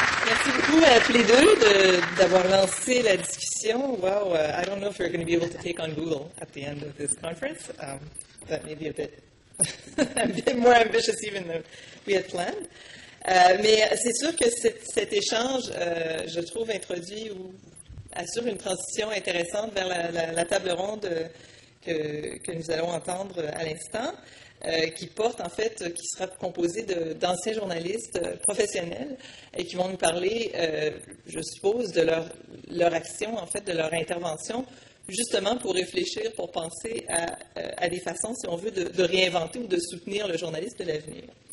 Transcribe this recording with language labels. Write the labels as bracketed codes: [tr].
[fr] Merci beaucoup à tous les deux d'avoir lancé la discussion. [en] Wow, I don't know if we're going to be able to take on Google at the end of this conference. That may be a bit more ambitious even than we had planned. [fr] Mais c'est sûr que cet échange, je trouve, introduit ou assure une transition intéressante vers la table ronde que nous allons entendre à l'instant. Qui porte en fait, qui sera composé d'anciens journalistes professionnels et qui vont nous parler, je suppose, de leur action, en fait, de leur intervention, justement pour réfléchir, pour penser à des façons, si on veut, de réinventer ou de soutenir le journaliste de l'avenir.